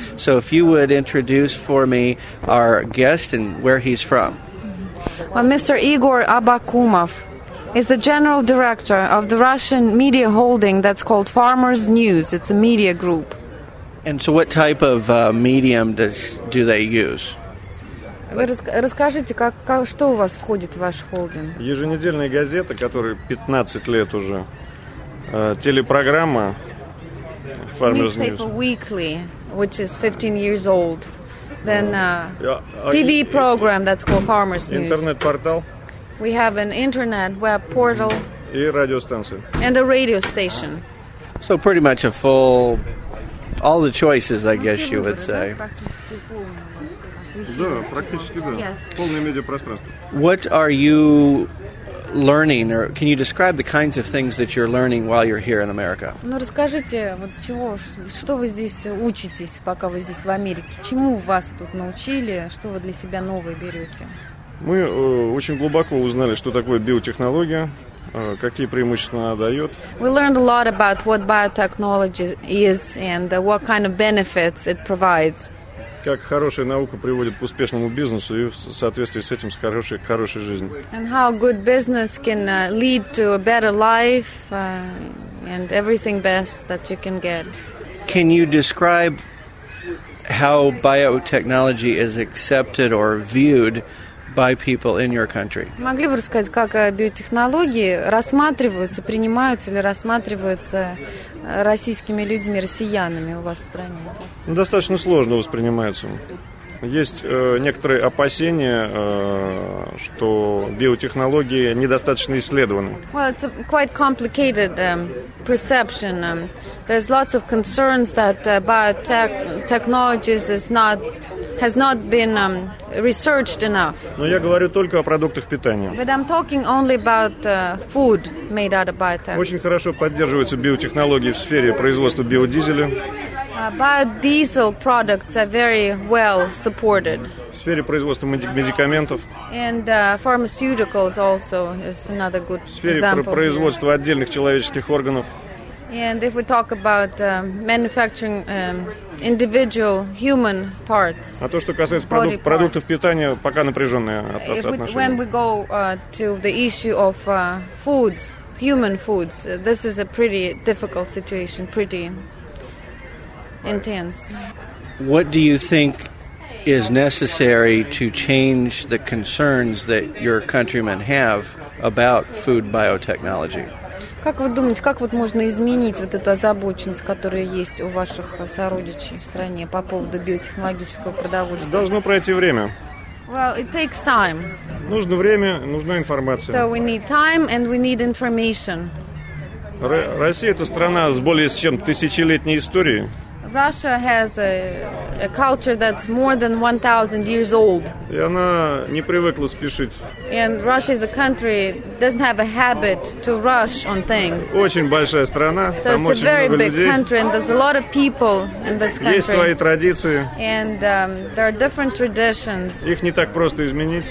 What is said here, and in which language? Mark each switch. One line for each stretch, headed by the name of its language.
English: So if you would introduce for me our guest and where he's from. Well, Mr. Igor Abakumov is the general director of the Russian media holding that's called Farmers News. It's a media group. And so what type of medium do they use?
Russian: Расскажите, что у вас входит в ваш холдинг? Еженедельная газета, которой 15 лет уже. Телепрограмма Farmers News.
English: Newspaper Weekly, which is 15 years old. Then TV program that's called Farmers News.
Russian: Интернет-портал.
English: We have an internet web portal and a radio station. So pretty much a full, all the choices, I guess you would say. What are you learning, or can you describe the kinds of things that you're learning while you're here in America?
Russian: Ну расскажите, вот чего, что вы здесь учитесь, пока вы здесь в Америке? Чему вас тут научили? Что вы для себя новое берете? Мы очень глубоко узнали, что такое биотехнология, какие преимущества она дает.
English: We learned a lot about what biotechnology is and what kind of benefits it provides.
Russian: Как хорошая наука приводит к успешному бизнесу и в соответствии с этим хорошей жизни.
English: And how good business can lead to a better life and everything best that you can get. Can you describe how biotechnology is accepted or viewed by people in your country?
Russian: Могли бы рассказать, как биотехнологии рассматриваются, принимаются или рассматриваются российскими людьми, россиянами у вас в стране? Достаточно сложно воспринимаются. Есть некоторые опасения, что биотехнологии недостаточно исследованы.
English: Well, it's a quite complicated perception. There's lots of concerns that biotechnologies has not been researched enough.
Russian: Но я говорю только о продуктах питания.
English: But I'm talking only about food made out of biotech.
Russian: Очень хорошо поддерживаются биотехнологии в сфере производства биодизеля.
English: Biodiesel products are very well supported.
Russian: В сфере производства медикаментов.
English: And pharmaceuticals also is another good example.
Russian: В сфере производства отдельных человеческих органов.
English: And if we talk about manufacturing individual human parts.
Russian: А то, что касается продуктов питания, пока напряжённые отношения.
English: When we go to the issue of foods, human foods, this is a pretty difficult situation, pretty intense. What do you think is necessary to change the concerns that your countrymen have about food biotechnology?
Russian: Как вы думаете, как вот можно изменить вот эту озабоченность, которая есть у ваших сородичей в стране по поводу биотехнологического продовольствия? Должно пройти время.
English: Well, it takes time.
Russian: Нужно время, нужна информация.
English: So we need time and we need information.
Russian: Россия – это страна с более чем тысячелетней историей.
English: Russia has a culture that's more than 1,000 years old.
Russian: И она не привыкла спешить.
English: And Russia is a country doesn't have a habit to rush on things.
Russian: Очень большая страна, там очень много людей.
English: So it's a very big country, and there's a lot of people in this country.
Russian: Есть свои традиции.
English: And there are different traditions.
Russian: Их не так просто изменить.